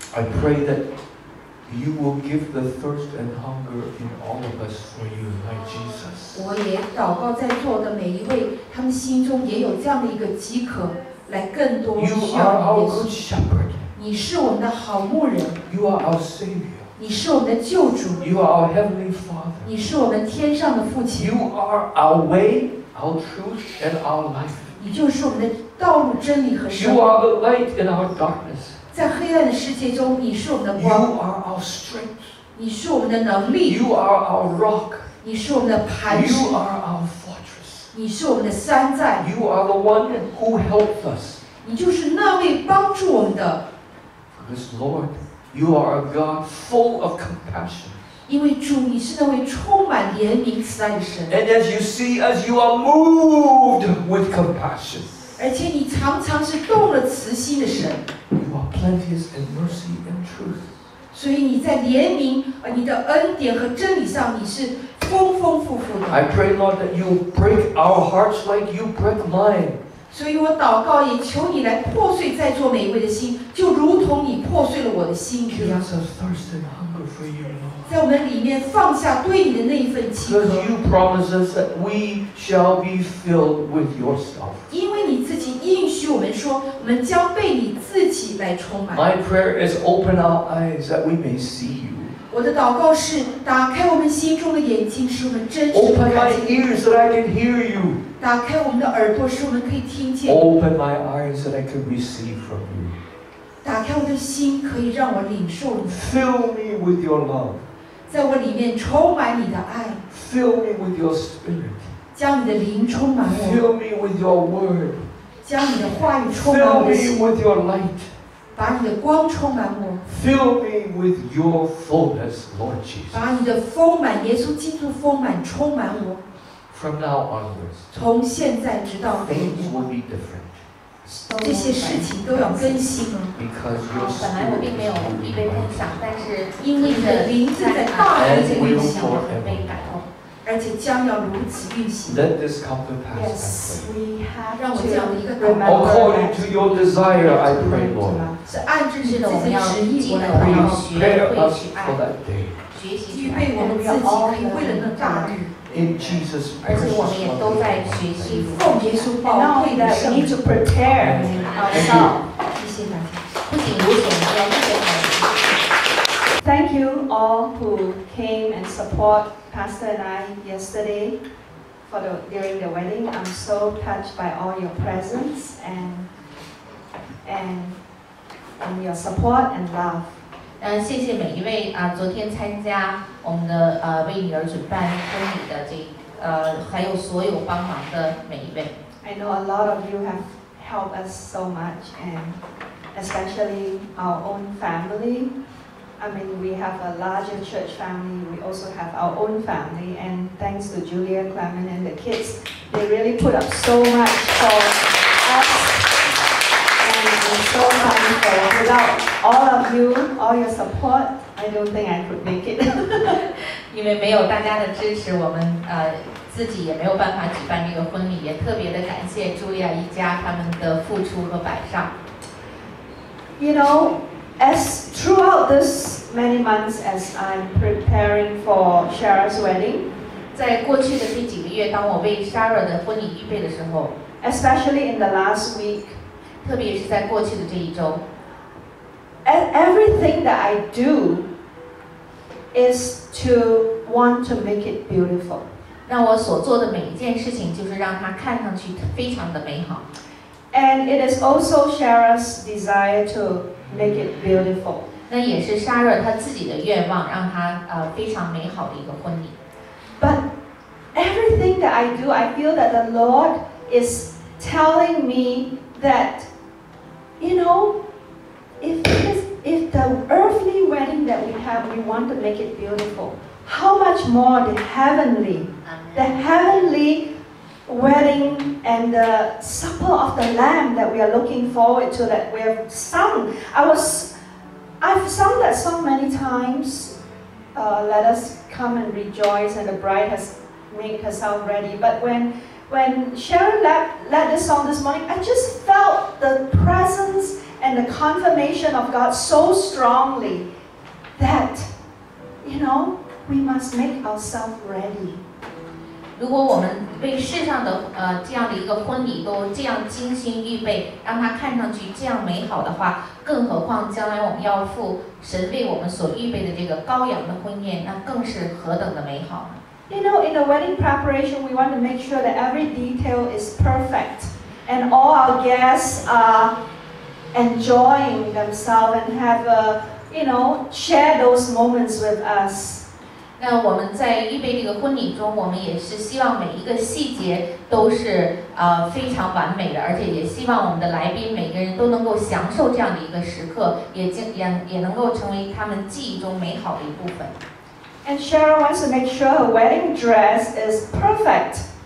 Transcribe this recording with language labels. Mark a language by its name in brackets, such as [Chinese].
[English] I pray that you will give the thirst and hunger in all of us for you, my Jesus. [Chinese] 我也祷告在座的每一位，他们心中也有这样的一个饥渴，来更多需要耶稣。 [English] You are our good shepherd. [Chinese] 你是我们的好牧人。 [English] You are our Savior. [Chinese] 你是我们的救主。 [English] You are our Heavenly Father. [Chinese] 你是我们天上的父亲。 [English] You are our way, our truth, and our life. [Chinese] 你就是我们的道路、真理和生命。 [English] You are the light in our darkness. [Chinese] 在黑暗的世界中，你是我们的光。 [English] You are our strength. [Chinese] 你是我们的能力。 [English] You are our rock. [Chinese] 你是我们的磐石。 [English] You are our fortress. [Chinese] 你是我们的山寨。 [English] You are the one who helps us. [Chinese] 你就是那位帮助我们的。 [English] Because Lord, you are a God full of compassion. [Chinese] 因为主，你是那位充满怜悯慈爱的神。 [English] And as you see us, you are moved with compassion. [Chinese] 而且你常常是动了慈心的神。 [English] Plenteous in mercy and truth. [Chinese] 所以你在怜悯你的恩典和真理上，你是丰丰富富的。 [English] I pray, Lord, that you break our hearts like you break mine. [Chinese] 所以我祷告也求你来破碎在座每一位的心，就如同你破碎了我的心一样。 [English] Give us a thirst and hunger for you, Lord. [Chinese] 在我们里面放下对你的那一份饥渴。 [English] Because you promise us that we shall be filled with yourself. [Chinese] 因为你自己应许我们说，我们将被你自己来充满。 [English] My prayer is open our eyes that we may see you. [Chinese] 我的祷告是打开我们心中的眼睛，使我们真实的看见。 [English] Open my ears that I can hear you. [Chinese] 打开我们的耳朵，使我们可以听见。 [English] Open my eyes that I can receive from you. [Chinese] 打开我的心，可以让我领受你。 [English] Fill me with your love. [Chinese] 在我里面充满你的爱。 [English] Fill me with your spirit. [Chinese] 将你的灵充满我。 [English] Fill me with your word. [Chinese] 将你的话语充满我的心。 [English] Fill me with your light. [Chinese] 把你的光充满我。 [English] Fill me with your fullness, Lord Jesus. [Chinese] 把你的丰满，耶稣基督丰满充满我。 [English] From now onwards, [Chinese] 从现在直到 [English] things will be different. [Chinese] 这些事情都要更新了。 [English] Because your spirit is moving, and will forever. [Chinese] 而且将要如此运行。 [English] Let this come to pass. Yes, we have to remember. According to your desire, I pray, Lord. [Chinese] 是按着自己的旨意，我们要学会去爱，预备我们自己，可以为了那大日。 [English] In Jesus' precious name, and not only that, we need to prepare ourselves. Thank you all who came and support Pastor and I yesterday during the wedding. I'm so touched by all your presence and your support and love. [Chinese] 谢谢每一位昨天参加我们的为女儿准备婚礼的这还有所有帮忙的每一位。 [English] I know a lot of you have helped us so much, and especially our own family. I mean, we have a larger church family. We also have our own family, and thanks to Julia, Clement, and the kids, they really put up so much for us. And I'm so thankful without. All of you, all your support, I don't think I could make it. [Chinese] 因为没有大家的支持，我们自己也没有办法举办这个婚礼。也特别的感谢茱莉亚一家他们的付出和摆上。 [English] You know, as throughout this many months, as I'm preparing for Shara's wedding, [Chinese] 在过去的这几个月，当我为 Shara 的婚礼预备的时候 [English] ，especially in the last week, [Chinese] 特别是在过去的这一周。 [English] And everything that I do is to want to make it beautiful. [Chinese] 让我所做的每一件事情就是让它看上去非常的美好。 [English] And it is also Shara's desire to make it beautiful. [Chinese] 那也是 Shara 她自己的愿望，让她非常美好的一个婚礼。 [English] But everything that I do, I feel that the Lord is telling me that, you know,If the earthly wedding that we have, we want to make it beautiful, how much more the heavenly wedding and the supper of the Lamb that we are looking forward to that we have sung. I've sung that song many times. Let us come and rejoice, and the bride has made herself ready. But when Sharon led this song this morning, I just felt the presenceAnd the confirmation of God so strongly that, you know, we must make ourselves ready. [Chinese] 如果我们为世上的这样的一个婚礼都这样精心预备，让它看上去这样美好的话，更何况将来我们要赴神为我们所预备的这个羔羊的婚宴，那更是何等的美好呢？ [English] You know, in the wedding preparation, we want to make sure that every detail is perfect, and all our guests are enjoying themselves and have a, you know, share those moments with us. [Chinese] 那我们在预备这个婚礼中，我们也是希望每一个细节都是非常完美的，而且也希望我们的来宾每个人都能够享受这样的一个时刻，也能够成为他们记忆中美好的一部分。 [English] And Sharon wants to make sure her wedding dress is perfect.